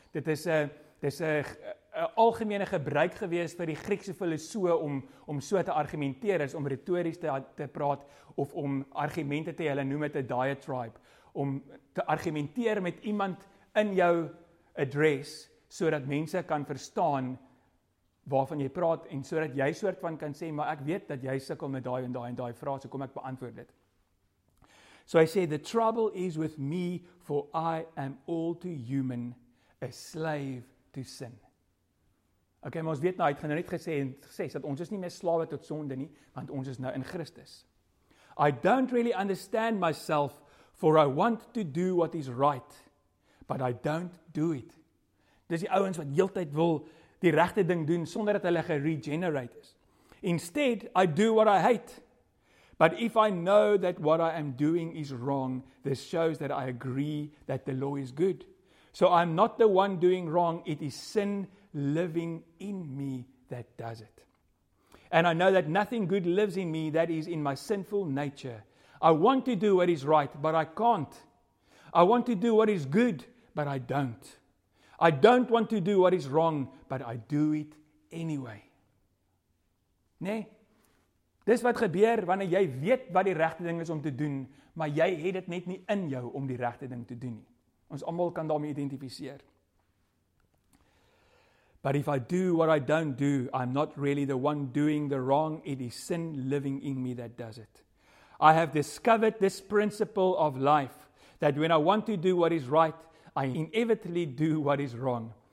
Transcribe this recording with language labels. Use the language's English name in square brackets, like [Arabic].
[Afrikaans] Dit is 'n algemene gebruik gewees vir die Griekse filosoe om so te argumenteer, is om retories te praat of om argumente te, hulle noem het 'n diatribe, om te argumenteer met iemand in jou address, sodat mense kan verstaan waarvan jy praat en sodat jy soort van kan sê, maar ek weet dat jy sukkel met daai en daai en daai vrae, so kom ek beantwoord dit. [English] So I say, the trouble is with me, for I am all too human, a slave to sin. [Afrikaans] Okay, maar ons weet nou, hy het nou net gesê, dat ons is nie meer slawe tot sonde nie, want ons is nou in Christus. [English] I don't really understand myself, for I want to do what is right, but I don't do it. [Afrikaans] Dis die ouens wat heeltyd wil die regte ding doen, sonder dat hulle geregenerate is. [English] Instead, I do what I hate. But if I know that what I am doing is wrong, this shows that I agree that the law is good. So I'm not the one doing wrong. It is sin living in me that does it. And I know that nothing good lives in me, that is in my sinful nature. I want to do what is right, but I can't. I want to do what is good, but I don't. I don't want to do what is wrong, but I do it anyway. [Afrikaans] Nee? Dis wat gebeur wanneer jy weet wat die regte ding is om te doen, maar jy het dit net nie in jou om die regte ding te doen nie. Ons almal kan daarmee identifiseer. [English] But if I do what I don't do, I'm not really the one doing the wrong. It is sin living in me that does it. I have discovered this principle of life, that when I want to do what is right, I inevitably do what is wrong.